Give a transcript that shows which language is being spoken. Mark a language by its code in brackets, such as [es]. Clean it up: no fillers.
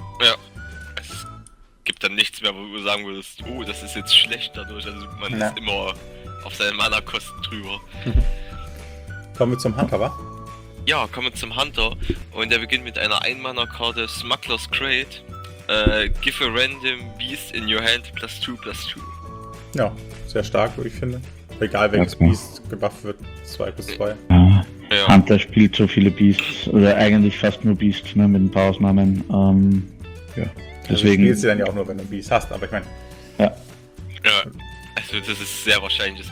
[de] Ja, es gibt dann nichts mehr, wo du sagen würdest, oh, das ist jetzt schlecht dadurch, also man ist immer auf seine Mana-Kosten drüber. Kommen wir zum Hunter, wa? Ja, kommen wir zum Hunter und der beginnt mit einer Ein-Mana-Karte, Smuggler's Crate. [en] Give a random Beast in your hand, +2/+2. [de] Ja, sehr stark, würde ich finde. Egal, welches Beast gebufft wird, 2/2. Ja. Hunter spielt so viele Beasts, oder eigentlich fast nur Beasts, ne, mit ein paar Ausnahmen. Ja, deswegen. Also spielst du dann ja auch nur, wenn du einen Beast hast, aber ich meine. Ja. Ja, also das ist sehr wahrscheinlich.